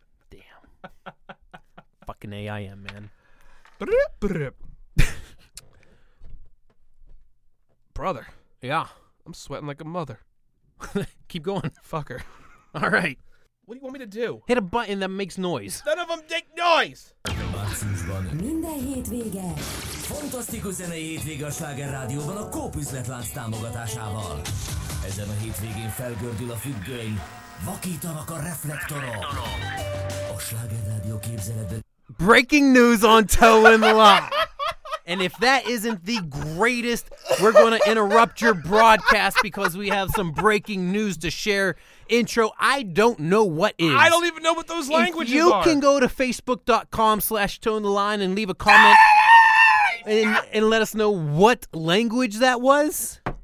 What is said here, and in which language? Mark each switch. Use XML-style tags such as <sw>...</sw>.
<en>Damn. Fucking AIM, man. Brother. Yeah. I'm sweating like a mother. Keep going. Fucker. All right. What do you want me to do? Hit a button that makes noise. None of them make noise!</en> <hu>Minden hétvége. Fantasztikus zenei hétvége a Sláger Rádióban a Coop üzletlánc támogatásával. Ezen a hétvégén felgördül a függöny, vakítanak a reflektorok. A Sláger Rádió képzeletben...</hu> <en>Breaking news on Toe-in Lock! And if that isn't the greatest, we're going to interrupt your broadcast because we have some breaking news to share. Intro, I don't know what is. I don't even know what those languages are. You can go to facebook.com/toeintheline and leave a comment and let us know what language that was.</en>